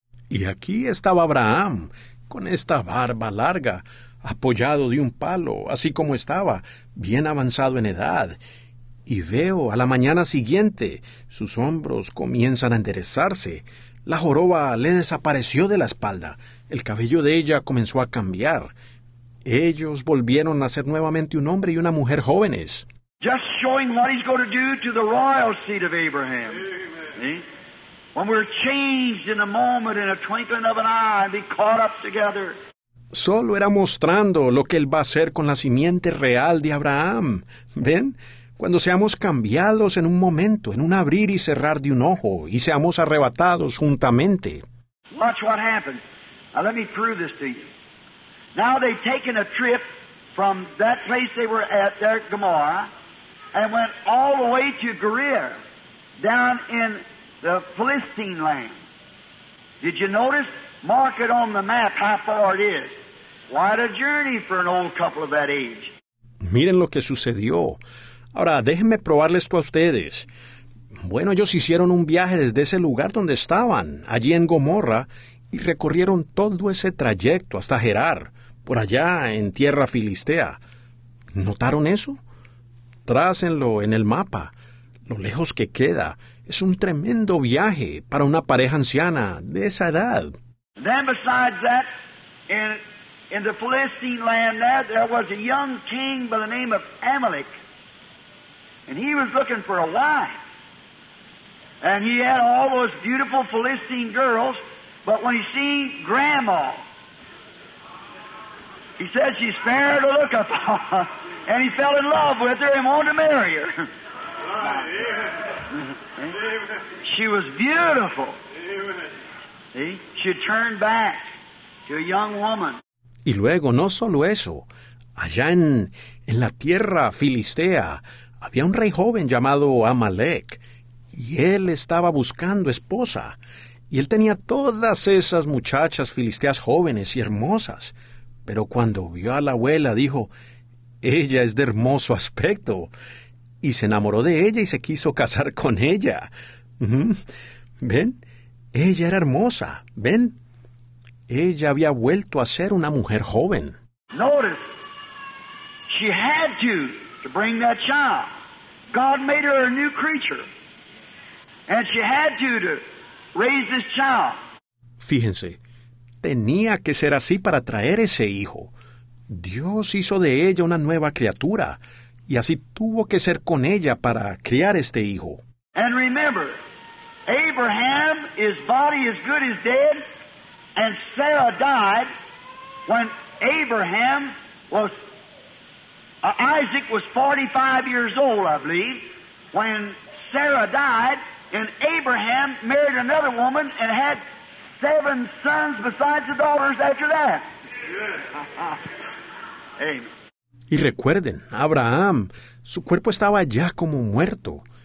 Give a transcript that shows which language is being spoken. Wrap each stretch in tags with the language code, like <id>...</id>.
<es>Y aquí estaba Abraham, con esta barba larga, apoyado de un palo, así como estaba, bien avanzado en edad. Y veo a la mañana siguiente, sus hombros comienzan a enderezarse. La joroba le desapareció de la espalda. El cabello de ella comenzó a cambiar. Ellos volvieron a ser nuevamente un hombre y una mujer jóvenes.</es> <en>Just showing what he's going to do to the royal seed of Abraham. Amen. See? When we're changed in a moment, in a twinkling of an eye, and be caught up together.</en> <es>Solo era mostrando lo que él va a hacer con la simiente real de Abraham. ¿Ven? Cuando seamos cambiados en un momento, en un abrir y cerrar de un ojo, y seamos arrebatados juntamente.</es> <en>Watch what happens. Now let me prove this to you. Now they've taken a trip from that place they were at, there at Gomorrah, and went all the way to Gerar, down in the Philistine land. Did you notice? Mark it on the map how far it is. Quite a journey for an old couple of that age.</en> <es>Miren lo que sucedió. Ahora, déjenme probarles esto a ustedes. Bueno, ellos hicieron un viaje desde ese lugar donde estaban, allí en Gomorra, y recorrieron todo ese trayecto hasta Gerar, por allá en tierra filistea. ¿Notaron eso? Trácenlo en el mapa. Lo lejos que queda. Es un tremendo viaje para una pareja anciana de esa edad.</es> <en>Then besides that, in the Philistine land there was a young king by the name of Amalek. And he was looking for a wife. And he had all those beautiful Philistine girls, but when he seen Grandma, he said she's fair to look upon. And he fell in love with her and wanted to marry her. She was beautiful. See? She turned back to a young woman.</en> <es>Y luego, no solo eso, allá en la tierra filistea, había un rey joven llamado Amalek, y él estaba buscando esposa. Y él tenía todas esas muchachas filisteas jóvenes y hermosas. Pero cuando vio a la abuela, dijo, ella es de hermoso aspecto. Y se enamoró de ella y se quiso casar con ella. ¿Ven? Ella era hermosa. ¿Ven? Ella había vuelto a ser una mujer joven.</es> <en>Notice, she had to bring that child. God made her a new creature. And she had to raise this child.</en> <es>Fíjense, tenía que ser así para traer ese hijo. Dios hizo de ella una nueva criatura, y así tuvo que ser con ella para criar este hijo.</es> <en>And remember, Abraham, his body is good as dead, and Sarah died when Abraham was, Isaac was 45 years old, I believe, when Sarah died. And Abraham married another woman and had 7 sons besides the daughters after that.</en> <es>Y recuerden, Abraham, su cuerpo estaba ya como muerto.</es>